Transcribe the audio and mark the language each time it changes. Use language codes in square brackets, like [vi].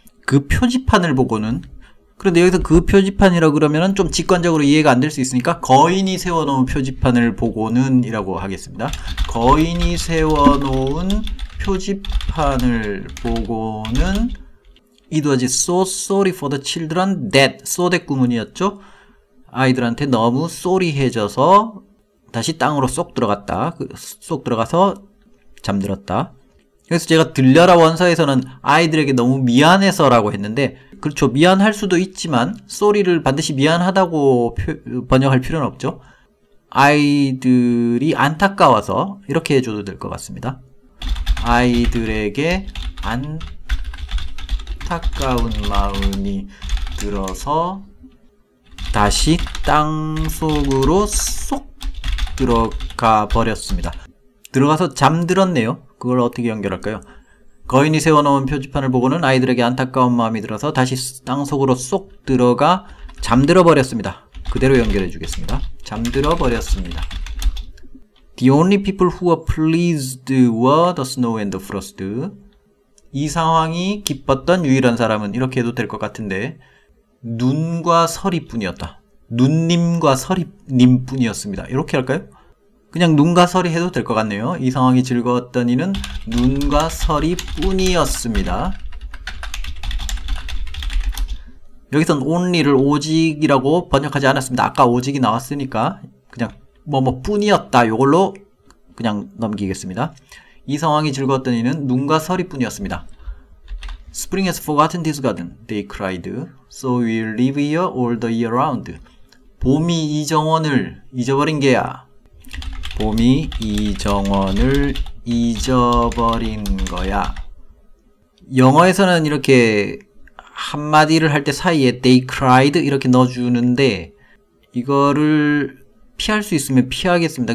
[ko] 그 표지판을 보고는 그런데 여기서 그 표지판이라고 그러면 좀 직관적으로 이해가 안 될 수 있으니까 거인이 세워놓은 표지판을 보고는 이라고 하겠습니다. 거인이 세워놓은 표지판을 보고는 [en] It was so sorry for the children that so that [ko] 구문이었죠. 아이들한테 너무 sorry 해져서 다시 땅으로 쏙 들어갔다. 쏙 들어가서 잠들었다. 그래서 제가 들려라 원서에서는 아이들에게 너무 미안해서 라고 했는데 그렇죠. 미안할 수도 있지만 sorry를 반드시 미안하다고 번역할 필요는 없죠. 아이들이 안타까워서 이렇게 해줘도 될 것 같습니다. 아이들에게 안타까운 마음이 들어서 다시 땅속으로 쏙 들어가 버렸습니다. 들어가서 잠들었네요. 그걸 어떻게 연결할까요? 거인이 세워놓은 표지판을 보고는 아이들에게 안타까운 마음이 들어서 다시 땅속으로 쏙 들어가 잠들어 버렸습니다. 그대로 연결해 주겠습니다. 잠들어 버렸습니다. [en] The only people who were pleased were the snow and the frost. [ko] 이 상황이 기뻤던 유일한 사람은 이렇게 해도 될 것 같은데 눈과 서리뿐이었다. 눈님과 서리님뿐이었습니다. 이렇게 할까요? 그냥 눈과 서리 해도 될 것 같네요. 이 상황이 즐거웠던 이는 눈과 서리뿐이었습니다. 여기서는 only를 오직이라고 번역하지 않았습니다. 아까 오직이 나왔으니까 그냥 뭐뭐 뿐이었다 요걸로 그냥 넘기겠습니다. 이 상황이 즐거웠던 이는 눈과 서리 뿐이었습니다. [en] Spring has forgotten this garden, they cried. So we'll live here all the year round. [ko] 봄이 이 정원을 잊어버린 게야. 봄이 이 정원을 잊어버린 거야. 영어에서는 이렇게 한마디를 할 때 사이에 [en] they cried [ko] 이렇게 넣어주는데 이거를 피할 수 있으면 피하겠습니다.